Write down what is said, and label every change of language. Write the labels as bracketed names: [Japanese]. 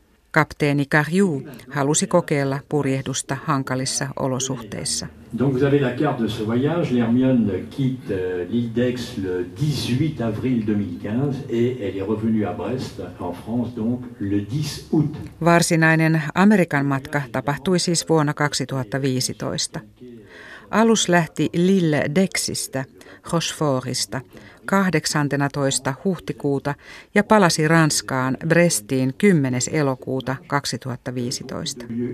[Finnish] Kapteeni Carieu halusi kokeilla purjehdusta hankalissa olosuhteissa. [French] Donc vous avez la carte de ce voyage, Lermion quitte l'île d'Aix le 18 avril 2015 et elle est revenue à Brest en France donc le 10 août. [Finnish] Varsinainen Amerikan matka tapahtui siis vuonna 2015. Alus lähti Lille d'Aixista, Rochefortista, 18. huhtikuuta ja palasi Ranskaan Brestiin 10. elokuuta 2015.